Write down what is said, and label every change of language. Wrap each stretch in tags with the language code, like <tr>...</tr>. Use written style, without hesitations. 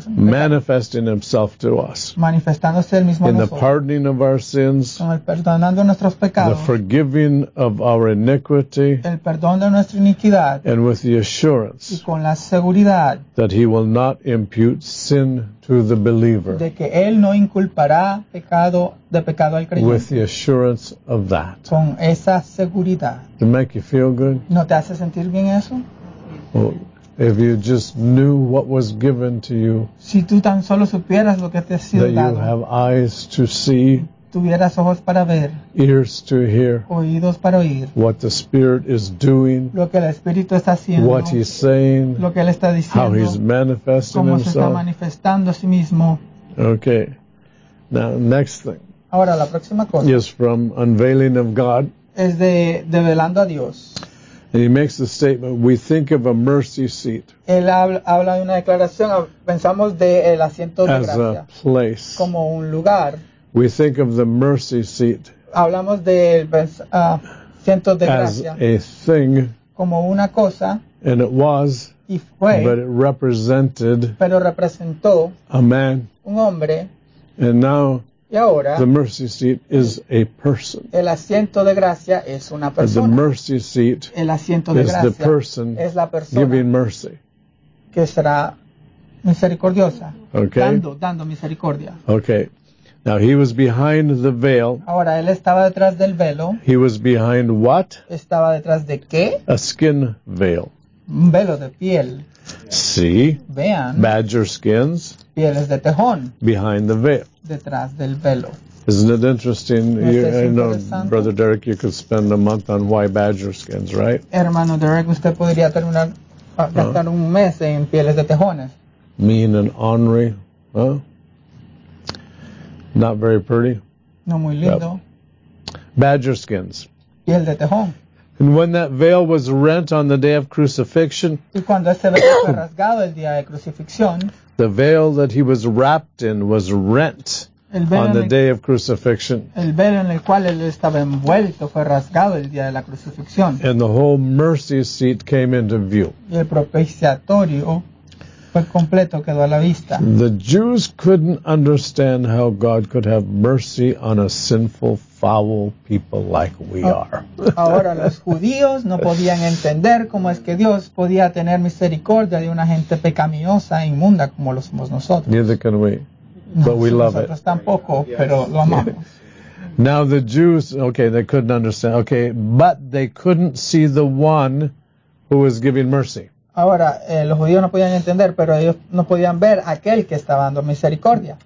<en>Manifesting himself to us.</en> <es>Manifestándose él mismo</es> <en>in the pardoning of our sins.</en> <es>Con el perdonando nuestros pecados.</es> <en>The forgiving of our iniquity.</en> <es>El perdón de nuestra iniquidad.</es> <en>And with the assurance.</en> <es>Y con la seguridad.</es> <en>That he will not impute sin to the believer.</en> <es>De que él no inculpará de pecado al creyente.</es> <en>With the assurance of that.</en> <es>Con esa seguridad.</es> <en>To make you feel good.</en> <es>¿No te hace sentir bien eso?</es> <en>Well, if you just knew what was given to you,</en> <es>si tú tan solo supieras lo que te ha sido</es> <en>that</en> <es>dado,</es> <en>you have eyes to see,</en> <es>tuvieras ojos para ver,</es> <en>ears to hear,</en> <es>oídos para oír,</es> <en>what the Spirit is doing,</en> <es>lo que el Espíritu está haciendo,</es> <en>what he's saying,</en> <es>lo que él está diciendo,</es> <en>how he's manifesting</en> <es>cómo</es> <en>himself.</en> <es>Se está manifestando a sí mismo.</es> <en>Okay. Now, next thing.</en> <es>Ahora, la próxima cosa</es> <en>is from Unveiling of God.</en> <es>Es de develando a Dios.</es> <en>And he makes the statement, we think of a mercy seat.</en> <es>Él habla de una declaración, pensamos de el asiento de gracia.</es> <en>As a place.</en> <es>Como un lugar.</es> <en>We think of the mercy seat.</en> <es>Hablamos del asiento de gracia.</es> <en>As a thing.</en> <es>Como una cosa.</es> <en>And it was.</en> <es>Y fue.</es> <en>But it represented.</en> <es>Pero representó.</es> <en>A man.</en> <es>Un hombre.</es> <en>And now.</en> <es>Y ahora,</es> <en>the mercy seat is a person.</en> <es>El asiento de gracia es una persona.</es> <en>The mercy seat</en> <es>el asiento de</es> <en>is</en> <es>gracia</es> <en>the person</en> <es>es la persona</es> <en>giving mercy.</en> <es>Que será misericordiosa.</es> <en>Okay.</en> <es>Dando misericordia.</es> <en>Okay. Now he was behind the veil.</en> <es>Ahora él estaba detrás del velo.</es> <en>He was behind what?</en> <es>Estaba detrás de qué?</es> <en>A skin veil.</en> <es>Un velo de piel.</es> <en>See?</en> <es>Vean.</es> <en>Badger skins.</en> <es>Pieles de tejón.</es> <en>Behind the veil.</en> <es>Detrás del velo.</es> <en>Isn't it interesting? I know, Brother Derek, you could spend a month on why badger skins, right?</en> <es>Hermano Derek, usted podría terminar gastar un mes en pieles de tejones.</es> <en>Mean and ornery. Huh? Not very pretty.</en> <es>No muy lindo.</es> <en>Yep. Badger skins.</en> <es>Piel de tejón.</es> <en>And when that veil was rent on the day of crucifixion,</en> <es>y cuando ese velo fue rasgado el día de crucifixión,</es> <en>the veil that he was wrapped in was rent on the day of crucifixion.</en> <es>El velo en el cual él estaba envuelto fue rasgado el día de la crucifixión.</es> <en>And the whole mercy seat came into view.</en> <es>Y el propiciatorio fue completo, quedó a la vista.</es> <en>The Jews couldn't understand how God could have mercy on a sinful, foul people like we are.</en> <es>Ahora los judíos no podían entender cómo es que Dios podía tener misericordia de una gente pecaminosa e inmunda como lo somos nosotros.</es> <en>Neither can we, but we love it.</en> <es>Nosotros tampoco,</es> <en>yes.</en> <es>Pero lo amamos.</es> <en>Now the Jews, okay, they couldn't understand, okay, but they couldn't see the one who was giving mercy.</en> <es>Ahora, los judíos no podían entender, pero ellos no podían ver aquel que estaba dando misericordia.</es>